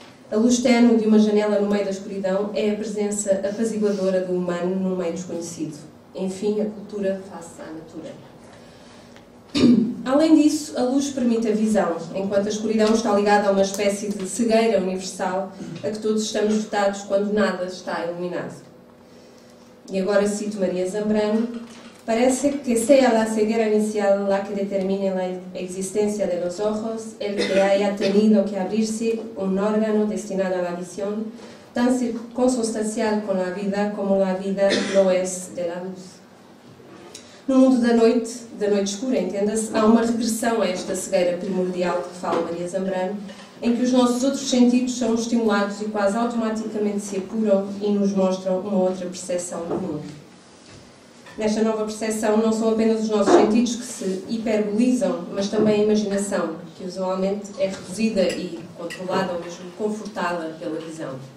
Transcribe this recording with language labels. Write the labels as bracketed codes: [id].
[pt] A luz ténue de uma janela no meio da escuridão é a presença apaziguadora do humano num meio desconhecido. Enfim, a cultura face à natura. Além disso, a luz permite a visão, enquanto a escuridão está ligada a uma espécie de cegueira universal a que todos estamos dotados quando nada está iluminado. E agora cito Maria Zambrano. [es] Parece que [pt] seja a cegueira inicial [es] la que determine la existencia de los ojos, el que haya tenido que abrirse un órgano destinado a la visión, tan consustancial con la vida como la vida lo es de la luz. [pt] No mundo da noite escura, entenda-se, há uma regressão a esta cegueira primordial que fala Maria Zambrano, em que os nossos outros sentidos são estimulados e quase automaticamente se apuram e nos mostram uma outra percepção do mundo. Nesta nova percepção, não são apenas os nossos sentidos que se hiperbolizam, mas também a imaginação, que usualmente é reduzida e controlada, ou mesmo confortada pela visão.